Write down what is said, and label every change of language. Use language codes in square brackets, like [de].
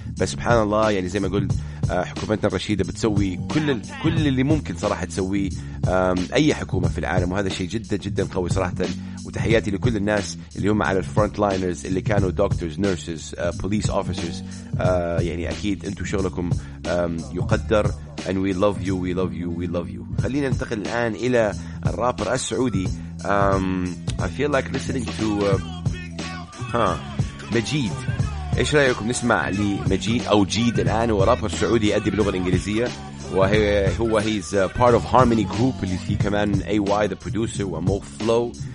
[ar] بس سبحان الله يعني زي ما قلت حكومتنا الرشيدة بتسوي كل اللي ممكن صراحة تسوي أي حكومة في العالم, وهذا شيء جدا جدا قوي صراحة. وتحياتي لكل الناس اللي هم على الفرونت لاينرز اللي كانوا [en] doctors, nurses, police officers. [ar] يعني أكيد أنتوا شغلكم يقدر. [en] And we love you, we love you, we love you. [ar] خلينا ننتقل الآن إلى الرابر السعودي. [en] I feel like listening to مجيد. [ar] إيش رأيكم نسمع لمجيد أو جيد الآن؟ هو رابر سعودي يأدي باللغة الإنجليزية, وهو [en] he's part of Harmony Group [ar] اللي فيه كمان AY the producer ومو فلو.